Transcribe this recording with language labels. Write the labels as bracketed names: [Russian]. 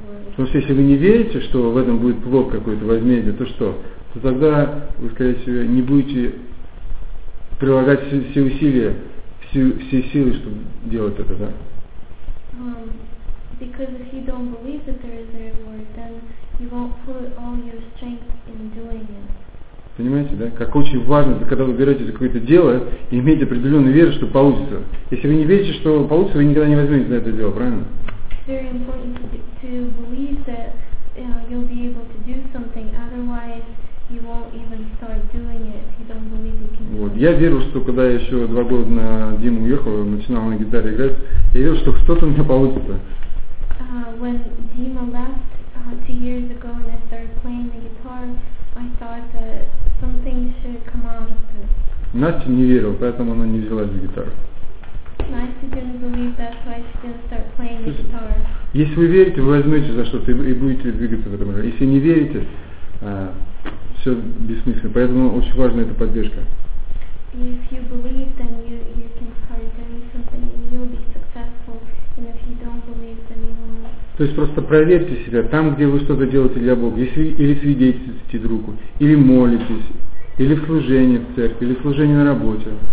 [Russian] Потому что если вы не верите, что в этом будет плод какой-то возмездие, то что? То тогда вы, скорее всего, не будете прилагать все усилия, все силы, чтобы делать это, да? [English] Because if you don't believe that there is a reward, then you won't put all your strength in doing it. [Russian] Понимаете, да? Как очень важно, когда вы берете за какое-то дело, иметь определенную веру, что получится. Если вы не верите, что получится, вы никогда не возьмете на это дело, правильно? [English] Very important to believe that you'll be able to do something, otherwise you won't even start doing it. You don't believe you can. [Russian] Вот. Я верю, что когда я еще 2 года на Диму уехал, начинал на гитаре играть, я верил, что что-то у меня получится. [English] When Dima left 2 years ago and I started playing the guitar, I thought that something should come out of this. [Russian] Настя не верила, поэтому она не взялась за гитару. [English] Настя didn't believe, that's why she didn't start playing the guitar. [Russian] Если вы верите, вы возьмете за что-то и будете двигаться в этом. Если не верите, все бессмысленно. Поэтому очень важна эта поддержка. [English] If you believe, then you can start doing something and you'll be successful. And if you don't believe, then you won't. [Russian] То есть просто проверьте себя, там, где вы что-то делаете для Бога, если, или свидетельствуете друг другу, или молитесь, или в служении в церкви, или в служении на работе.